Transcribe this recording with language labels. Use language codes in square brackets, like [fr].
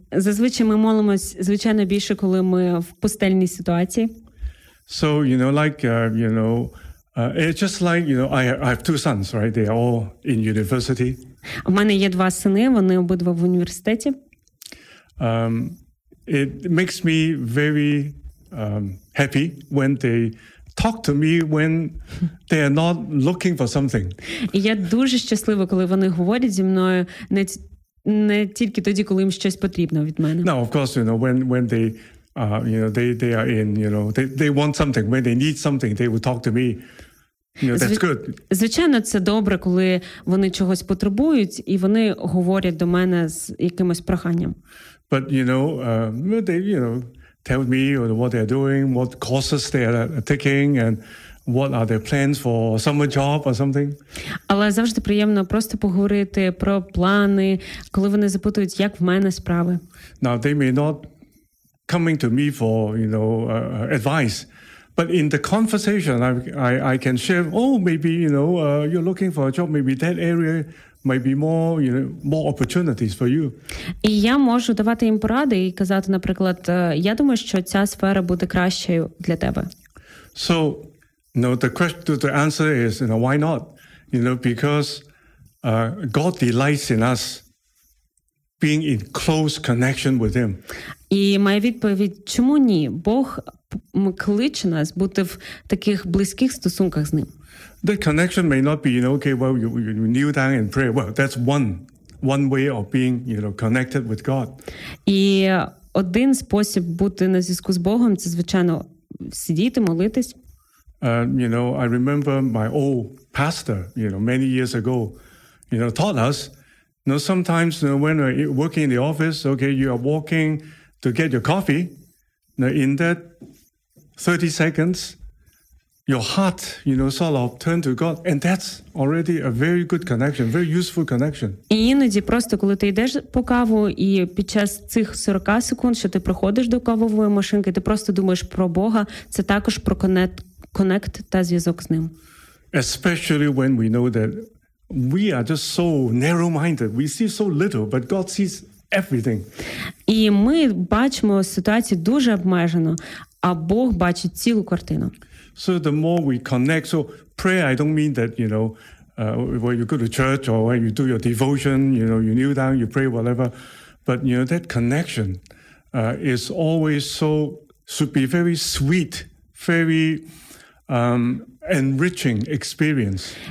[uk] Зазвичай ми молимось, звичайно, більше, коли ми в пустельній ситуації. [en] So, you know, like, you know, it's just like, you know, I have two sons, right? They are all in university. [uk] У мене є два сини, вони обидва в університеті. [en] It makes me very happy when they talk to me when they are not looking for something. [uk] Я дуже щаслива, коли вони говорять зі мною не тільки тоді, коли їм щось потрібно від мене. [en] No, of course, you know, when they you know, they are in, you know, they want something, when they need something, they will talk to me. You know, that's good. [uk] Звичайно, це добре, коли вони чогось потребують і вони говорять до мене з якимось проханням. [en] But you know, they you know tell me what they're doing, what courses they are taking, and what are their plans for summer job or something. [uk] Але завжди приємно просто поговорити про плани, коли вони запитують, як в мене справи. [en] Now they may not coming to me for you know advice, but in the conversation I can share. Oh, maybe you know you're looking for a job, maybe that area might be more, you know, more opportunities for you. [uk] І я можу давати їм поради і казати, наприклад, я думаю, що ця сфера буде кращою для тебе. [en] So, you know, the question, the answer is, you know, why not? You know, because God delights in us being in close connection with Him. [uk] І моя відповідь, чому ні? Бог кличе нас бути в таких близьких стосунках з Ним. [en] The connection may not be, you know, okay, well, you kneel down and pray. Well, that's one way of being, you know, connected with God. [uk] І один спосіб бути на зв'язку з Богом – це, звичайно, сидіти, молитись. [en] You know, I remember my old pastor, you know, many years ago, you know, taught us, you know, sometimes, you know, when we're working in the office, okay, you are walking to get your coffee, you know, in that 30 seconds, your heart, you know, sort of turn to God, and that's already a very good connection, very useful connection. [uk] І іноді просто, коли ти йдеш по каву, і під час цих 40 секунд, що ти приходиш до кавової машинки, ти просто думаєш про Бога, це також про connect та зв'язок з Ним. [en] Especially when we know that we are just so narrow-minded, we see so little, but God sees everything. [uk] І ми бачимо ситуацію дуже обмежено, а Бог бачить цілу картину. [en] So the more we connect, so prayer, I don't mean that, you know, when you go to church or when you do your devotion, you know, you kneel down, you pray, whatever. But, you know, that connection is always so, should be very sweet, very enriching experience.